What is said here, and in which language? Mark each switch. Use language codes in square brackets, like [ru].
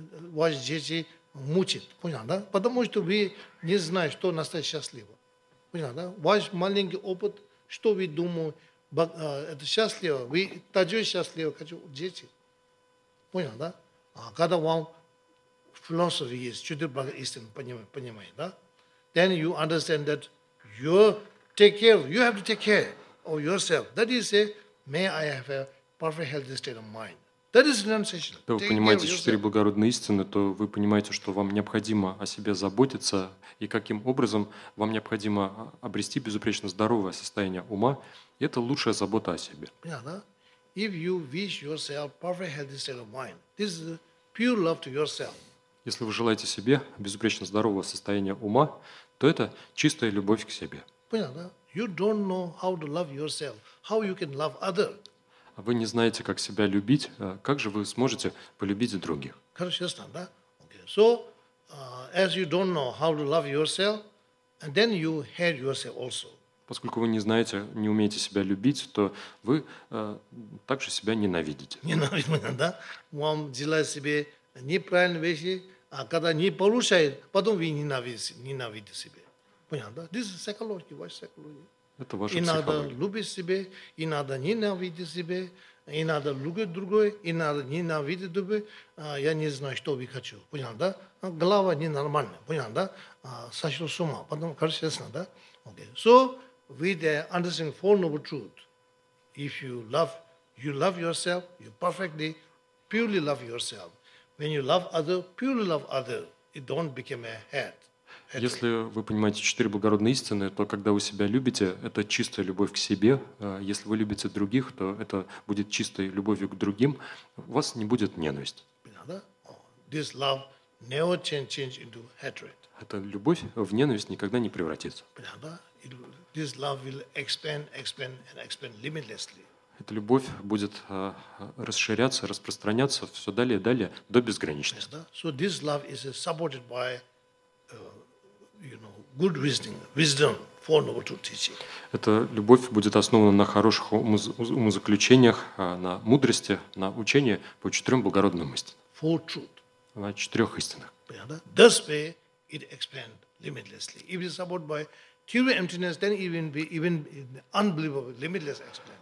[ru] Ваши дети мучат, понятно, да? Потому что вы не знаете, что настоящее счастливо. Понятно, да? Ваш маленький опыт, что вы думаете, это счастливо, вы также счастливы, как дети. Понятно, да? А когда вам философия есть, чудо благо истины, понимаете, да? [en] Then you understand that you take care, you have to take care of yourself. That is a, may I have a perfect healthy state of mind. That is renunciation. [ru] Когда вы понимаете четыре благородные истины, то вы понимаете, что вам необходимо о себе заботиться, и каким образом вам необходимо обрести безупречно здоровое состояние ума. И это лучшая забота о себе. [en] Yeah, [ru] да? [en] If you wish yourself perfect healthy state of mind, this is pure love to yourself. [ru] Если вы желаете себе безупречно здорового состояния ума, то это чистая любовь к себе. Понятно, да? [en] You don't know how to love yourself, how you can love other. [ru] Вы не знаете, как себя любить, как же вы сможете полюбить других? Конечно, да? [en] Okay. So, as you don't know how to love yourself, and then you hate yourself also. [ru] Поскольку вы не знаете, не умеете себя любить, то вы также себя ненавидите. Ненавидите, да? Вам делать себе неправильные вещи, а когда не получает, потом вы ненавидите себя. Понятно, да? [en] This is psychology, [ru] ваша психология. Это ваша психология. И надо любить себя, и надо ненавидеть себя, и надо любить другой, и надо ненавидеть другой. Я не знаю, что вы хочу. Понятно, да? Голова ненормальная. Понятно, да? Сошел с ума. Потом, кажется, ясно, да? [en] Okay. So, with understanding four noble truths, if you love yourself, you perfectly, purely love yourself. When you love other, purely love other, it don't become a hate. [ru] Если вы понимаете четыре благородные истины, то когда вы себя любите, это чистая любовь к себе. Если вы любите других, то это будет чистой любовью к другим. У вас не будет ненависти. [en] This love never change into hatred. [ru] Эта любовь в ненависть никогда не превратится. [en] This love will expand and expand limitlessly. [ru] Эта любовь будет расширяться, распространяться все далее и далее до безграничности. [en] So this love is supported by, you know, good reasoning, wisdom, four noble truth teaching. [ru] Эта любовь будет основана на хороших умозаключениях, на мудрости, на учении по четырем благородным истинам. [en] Four truth. [ru] На четырех истинах. [en] Thus way it expand limitlessly. If it is supported by theory emptiness, then even unbelievable limitless expand.